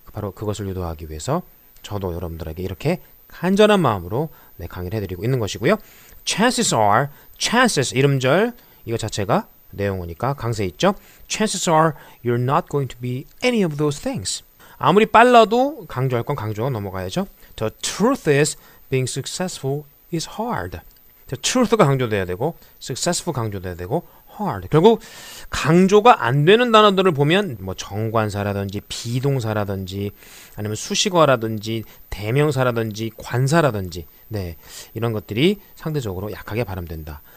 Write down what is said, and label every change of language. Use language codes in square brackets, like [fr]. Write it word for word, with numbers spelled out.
[ko] 바로 그것을 유도하기 위해서 저도 여러분들에게 이렇게 간절한 마음으로 네, 강의를 해드리고 있는 것이고요. [en] Chances are, chances, [ko] 이름절, 이거 자체가 내용어니까 강세 있죠. [en] Chances are you're not going to be any of those things. [ko] 아무리 빨라도 강조할 건 강조하고 넘어가야죠. [en] The truth is being successful is hard. [ko] The truth가 강조돼야 되고 successful 강조돼야 되고 hard. 결국 강조가 안 되는 단어들을 보면 뭐 정관사라든지 비동사라든지 아니면 수식어라든지 대명사라든지 관사라든지 네 이런 것들이 상대적으로 약하게 발음된다.